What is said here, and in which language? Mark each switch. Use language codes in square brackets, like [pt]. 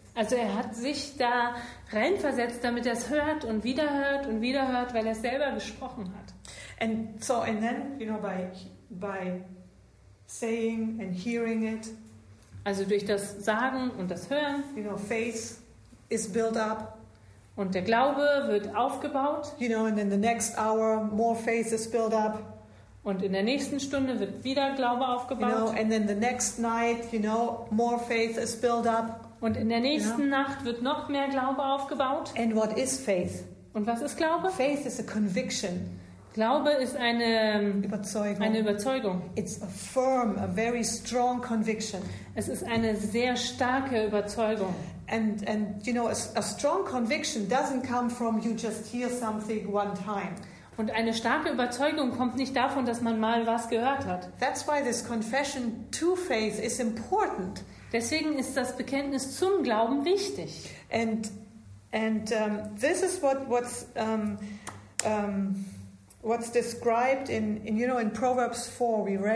[de] Also er hat sich da reinversetzt, damit er es hört und wieder hört und wieder hört, weil er es selber gesprochen hat. [en] And so and then, you know, by saying and hearing it. [de] Also durch das Sagen und das Hören. [en] You know, faith is built up. [de] Und der Glaube wird aufgebaut. [en] You know, and in the next hour more faith is built up. [de] Und in der nächsten Stunde wird wieder Glaube aufgebaut. [en] You know, and then the next night, you know, more faith is built up. [de] Und in der nächsten Nacht wird noch mehr Glaube aufgebaut. [en] And what is faith? [de] Und was ist Glaube? [en] Faith is a conviction. [de] Glaube ist eine Überzeugung. [en] It's a firm, a very strong conviction. [de] Es ist eine sehr starke Überzeugung. [en] And you know, a strong conviction doesn't come from you just hear something one time. [de] Und eine starke Überzeugung kommt nicht davon, dass man mal was gehört hat. [en] That's why this confession to faith is important. [de] Deswegen ist das Bekenntnis zum Glauben wichtig. [en] And this is what's described in you know, in Proverbs 4.